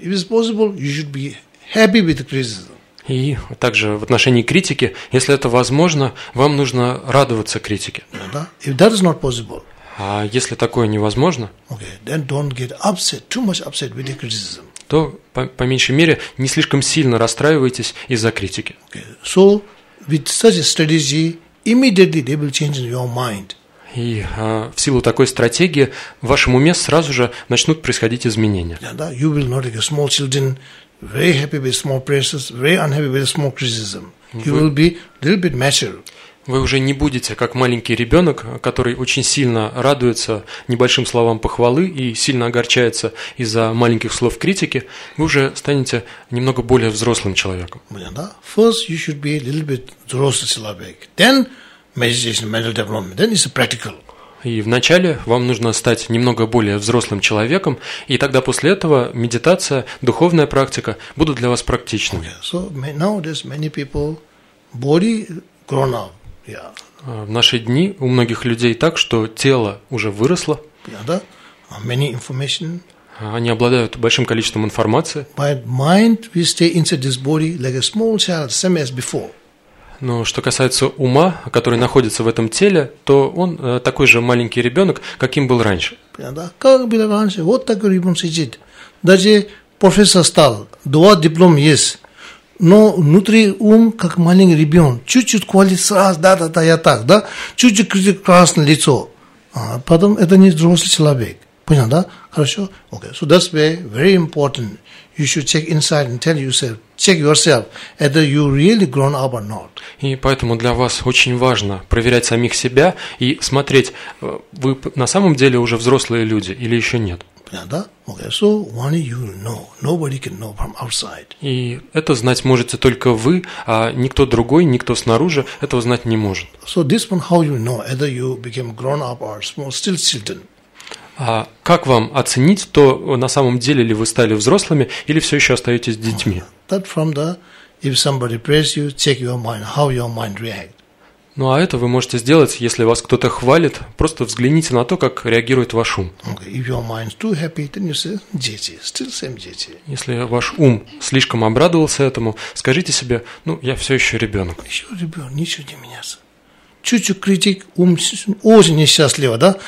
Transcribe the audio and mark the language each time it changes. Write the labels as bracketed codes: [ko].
[en] If it's possible, you should be happy with criticism. [ru] И также в отношении критики, если это возможно, вам нужно радоваться критике. [en] If that is not possible. [ru] А если такое невозможно, [en] okay, then don't get upset, too much upset with the criticism. [ru] То, по меньшей мере, не слишком сильно расстраивайтесь из-за критики. [en] Okay. So, with such a strategy, immediately they will change in your mind. [ru] И в силу такой стратегии в вашем уме сразу же начнут происходить изменения. [en] Yeah, that you will not like a small children, very happy with small praises, very unhappy with small criticism. You will be a little bit mature. [ru] Вы уже не будете как маленький ребенок, который очень сильно радуется небольшим словам похвалы и сильно огорчается из-за маленьких слов критики. Вы уже станете немного более взрослым человеком. [en] First, you should be a little bit [ru] взрослый человек. [en] Then meditation, mental development. Then it's practical. [ru] И вначале вам нужно стать немного более взрослым человеком, и тогда после этого медитация, духовная практика будут для вас практичны. [en] Okay. So nowadays many people body grown up. [ru] В наши дни у многих людей так, что тело уже выросло. [en] Many information. [ru] Они обладают большим количеством информации. [en] But mind we stay inside this body like a small child, same as before. [ru] Но что касается ума, который находится в этом теле, то он такой же маленький ребенок, каким был раньше. Как был раньше? Вот такой ребенок сидит. Даже профессор стал, два диплома есть. Но внутри ум, как маленький ребенок, чуть-чуть квалит сразу, да-да-да, я так, да? Чуть-чуть красное лицо. А потом это не взрослый человек. Понял, да? Хорошо? [en] Okay. So that's very, very important. You should check inside and tell yourself, check yourself, whether you really grown up or not. [ru] И поэтому для вас очень важно проверять самих себя и смотреть, вы на самом деле уже взрослые люди или еще нет. [en] Okay, so only you know. Nobody can know from outside. [ru] И это знать можете только вы, а никто другой, никто снаружи этого знать не может. [en] So this one, how you know whether you became grown up or small, still children? [ru] А как вам оценить, то на самом деле ли вы стали взрослыми или все еще остаетесь детьми? [en] That from the if somebody praise you, check your mind, how your mind react. [ru] Ну, а это вы можете сделать, если вас кто-то хвалит, просто взгляните на то, как реагирует ваш ум. [en] Okay. If your mind's too happy, then you say, дети, still same дети. [ru] Если ваш ум слишком обрадовался этому, скажите себе, ну, я все еще ребенок. Еще ребенок, ничего не меняется. Чуть-чуть критик, ум очень несчастливо, да?